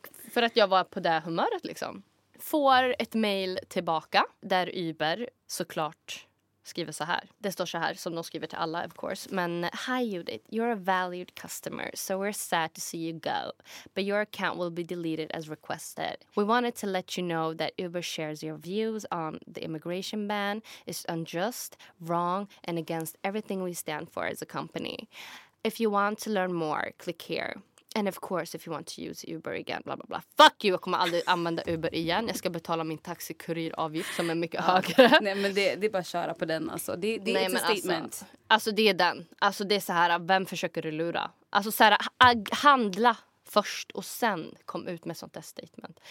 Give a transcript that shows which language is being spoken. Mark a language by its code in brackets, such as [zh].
[sv] För att jag var på det humöret liksom. Får ett mail tillbaka där Uber såklart... skriver så här. Det står så här, som de skriver till alla, [en] of course. Men, hi Judith, you're a valued customer, so we're sad to see you go. But your account will be deleted as requested. We wanted to let you know that Uber shares your views on the immigration ban. It's unjust, wrong, and against everything we stand for as a company. If you want to learn more, click here. And of course, if you want to use Uber again, blah, blah, blah. Fuck you, [sv] jag kommer aldrig använda Uber igen. Jag ska betala min taxikurir-avgift som är mycket högre. Nej, men det är bara att köra på den, alltså. Det är ett statement. Alltså, det är den. Alltså, det är så här, vem försöker du lura? Alltså, så här, handla först och sen kom ut med sånt där statement.